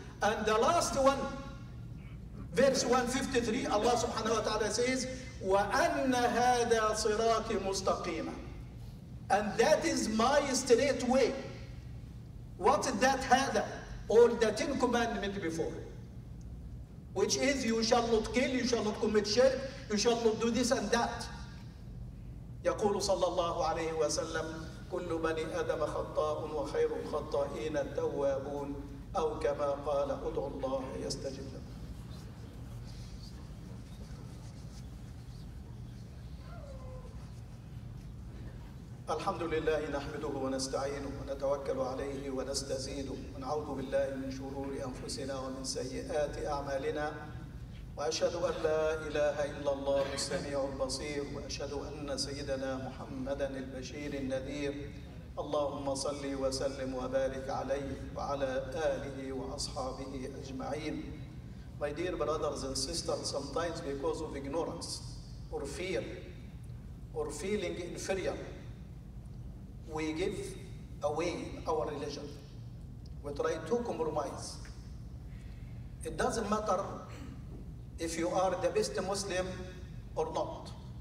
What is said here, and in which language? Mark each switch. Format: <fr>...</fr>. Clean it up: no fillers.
<en>And the last one, verse 153, Allah subhanahu wa ta'ala says,</en> <ar>وَأَنَّ هَذَا صِرَاطِ مُسْتَقِيمًا.</ar> <en>And that is my straight way. What is that hada? All the Ten Commandments before. Which is, you shall not kill, you shall not commit shirk, you shall not do this and that.</en> <ar>يقول صلى الله عليه وسلم كل بني آدم خطاء وخير الخطائين التوابون أو كما قال ادعوا الله يستجب لكم. الحمد لله نحمده ونستعينه ونتوكل عليه ونستزيده ونعوذ بالله من شرور أنفسنا ومن سيئات أعمالنا وأشهد أن لا إله إلا الله السميع البصير وأشهد أن سيدنا محمدًا البشير النذير اللهم صلِّ وسلِّم وبارك عليه وعلى آله وأصحابه أجمعين.</ar> <en>My dear brothers and sisters, sometimes because of ignorance or fear or feeling inferior, we give away our religion. We try to compromise. It doesn't matter if you are the best Muslim or not.</en>